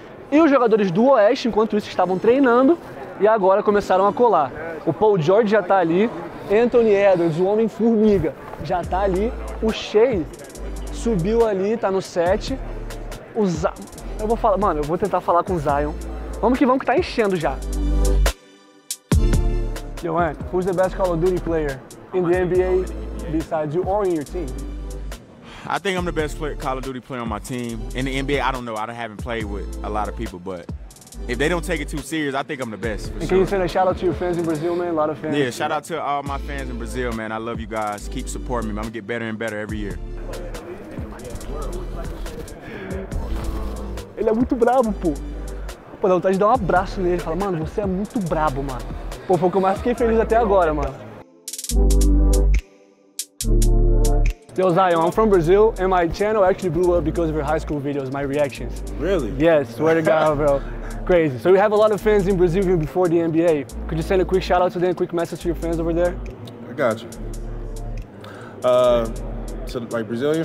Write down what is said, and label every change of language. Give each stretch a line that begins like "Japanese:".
Portuguese: E os jogadores do oeste, enquanto isso, estavam treinando e agora começaram a colar. O Paul George já tá ali, Anthony Edwards, o homem formiga, já tá ali, o Shea subiu ali, tá no set. O Zion. Eu vou falar. Mano, eu vou tentar falar com o Zion. Vamos que tá enchendo já.
English: Yo, man, who's the best Call of Duty player in the NBA besides you or in your team? I think I'm the best player, Call of Duty player on my team. In the NBA, I don't know. I haven't played with a lot of people, but if they don't take it too serious, I think I'm the best. And can you send a shout out to your fans in Brazil, man? A lot of fans. Yeah, shout out to all my fans in Brazil, man. I love you guys. Keep supporting me. I'm gonna get better and better every year.
Portuguese: Ele é muito brabo, pô. Pô, dá vontade de dar um abraço nele. Fala, mano, você é muito brabo, mano. Pô, foi o que eu mais fiquei feliz até agora, mano.
English: Yo, Zion, I'm from Brazil, and my channel actually blew up because of your high school videos, my reactions. Really? Yes, swear to God, bro. Crazy. So you have a lot of fans in Brazil even before the NBA. Could you send a quick shout out to them, a quick message to your fans over there? I got you. So like Brazilian